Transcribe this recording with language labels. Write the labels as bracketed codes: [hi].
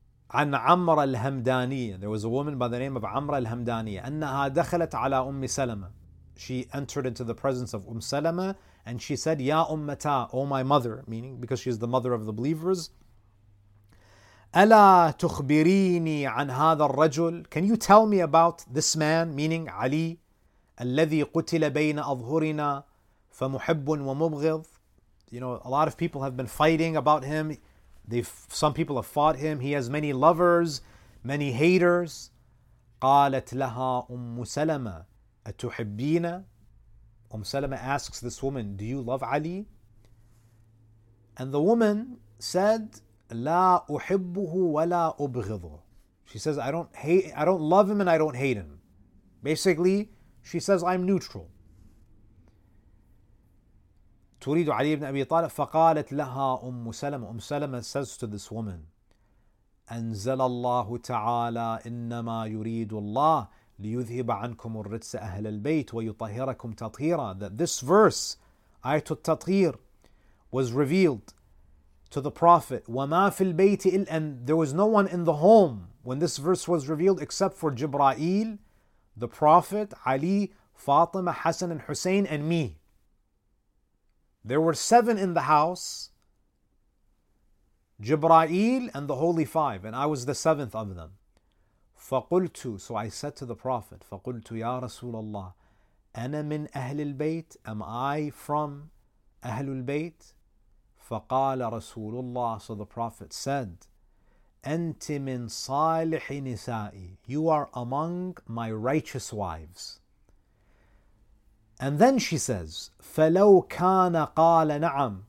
[ar] عن عمر الهمدانية. [en] There was a woman by the name of عمر الهمدانية. [ar] أنها دخلت على أم سلمة. [en] She entered into the presence of سلمة and she said, [ar] يا أمتا, [en] O my mother, meaning because she is the mother of the believers. [ar] ألا تخبريني عن هذا الرجل. [en] Can you tell me about this man, meaning علي, [ar] الذي قتل بين أظهرنا فمحب ومبغض. [en] You know, a lot of people have been fighting about him. Some people have fought him. He has many lovers, many haters. [ar] قالت لها أم سلمة أتحبين. [en] أم سلمة asks this woman, do you love Ali? And the woman said, [ar] لا أحبه ولا أبغضه. [en] She says, I don't love him and I don't hate him. Basically, she says, I'm neutral. [ar] تريد علي بن أبي طالب فقالت لها أم سلمة. أم سلمة [en] says to this woman, [ar] أنزل الله تعالى إنما يريد الله ليذهب عنكم الرجس أهل البيت ويطهركم تطهيرا. [en] That this verse, Ayatul Tathir, was revealed to the Prophet. [ar] وما في البيت إلا. [en] And there was no one in the home when this verse was revealed except for Jibra'il, the Prophet, Ali, Fatima, Hassan and Hussein, and me. There were seven in the house, Jibra'il and the Holy Five, and I was the seventh of them. [ar] فَقُلْتُ. [en] So I said to the Prophet, [ar] فَقُلْتُ يَا رَسُولَ اللَّهِ أَنَا مِنْ أَهْلِ الْبَيْتِ. [en] Am I from [ar] أَهْلُ الْبَيْتِ. فَقَالَ رَسُولُ اللَّهِ. [en] So the Prophet said, [ar] أَنْتِ مِنْ صَالِحِ نِسَائِي. [en] You are among my righteous wives. And then she says, [ar] فَلَوْ كَانَ قَالَ نَعَمْ.